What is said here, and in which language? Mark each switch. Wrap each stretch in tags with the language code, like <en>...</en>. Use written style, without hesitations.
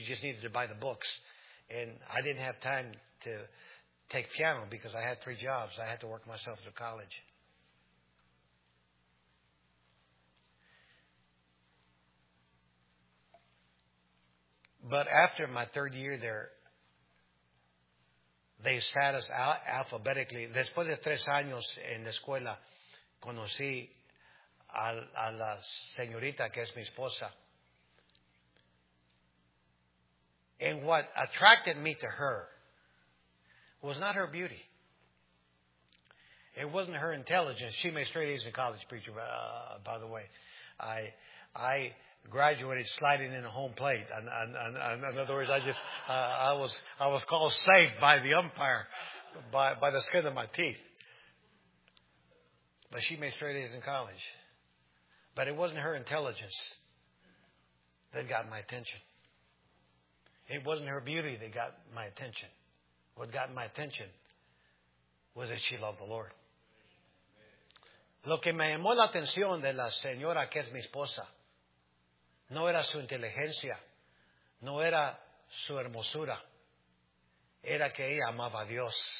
<en>You just needed to buy the books. And I didn't have time to take piano because I had three jobs. I had to work myself through college. But after my third year there, they sat us alphabetically.</en> <es>Después de tres años en la escuela, conocí a la señorita que es mi esposa.</es> <en>And what attracted me to her was not her beauty. It wasn't her intelligence. She made straight A's in college, preacher, by the way. I graduated sliding in a home plate. In other words, I was called safe by the umpire, by the skin of my teeth. But she made straight A's in college. But it wasn't her intelligence that got my attention. It wasn't her beauty that got my attention. What got my attention was that she loved the Lord.</en> <es>Lo que me llamó la atención de la señora que es mi esposa no era su inteligencia, no era su hermosura, era que ella amaba a Dios.</es>